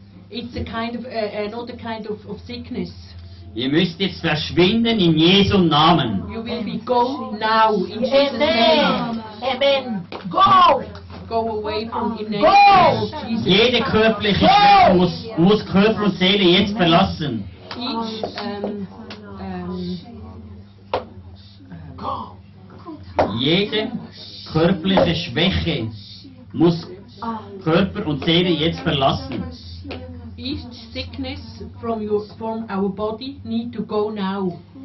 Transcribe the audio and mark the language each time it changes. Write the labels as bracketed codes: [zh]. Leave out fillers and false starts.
[en] It's a kind of another kind of sickness. [de] Ihr müsst jetzt verschwinden in Jesu Namen. [en] You will be go now in Jesus' name. Amen. Amen. Go. Go away from him. Go. Jesus. [de] Jede körperliche Kraft muss Körper und Seele jetzt verlassen. [en] Each [de] jede körperliche Schwäche muss Körper und Seele jetzt verlassen. [en] Each sickness from our body need to go now.